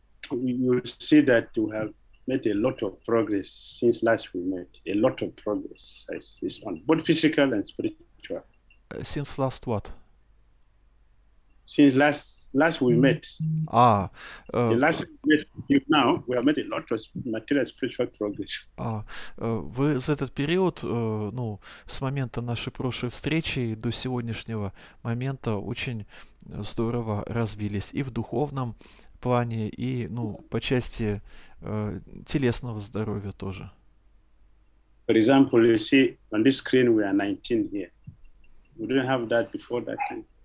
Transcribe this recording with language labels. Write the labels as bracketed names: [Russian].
[English] you see that you have made a lot of progress since last we met. A lot of progress, this one, both physical and spiritual. Since last what? Since last we met. Ah. Last we met, you know, we have made a lot of material spiritual progress. [Russian] А вы за этот период, ну, с момента нашей прошлой встречи до сегодняшнего момента очень здорово развились и в духовном плане, и, ну, по части телесного здоровья тоже. [English] For example, you see on this screen we are 19 here. We didn't have that before that time.